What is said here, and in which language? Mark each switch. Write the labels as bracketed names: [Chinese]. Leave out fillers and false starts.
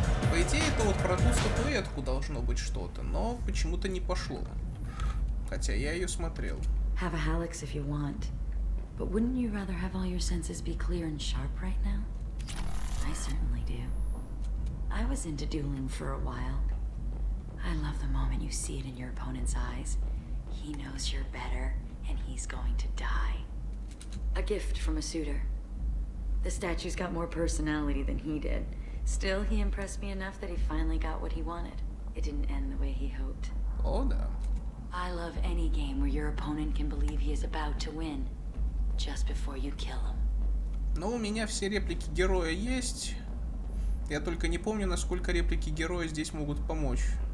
[Russian] По идее, это вот про ту статуэтку должно быть что-то, но почему-то не пошло. Хотя я ее смотрел. [English] Have a Halix if you want, but wouldn't you rather have all your senses be clear and sharp right now? I certainly do. I was into dueling for a while. I love the moment you see it in your opponent's eyes. He knows you're better, and he's going to die. A gift from a suitor. The statue's got more personality than he did. Still, he impressed me enough that he finally got what he wanted. It didn't end the way he hoped. Oh, no. I love any game where your opponent can believe he is about to win just before you kill him. [Russian] Ну, у меня все реплики героя есть. Я только не помню, насколько реплики героя здесь могут помочь.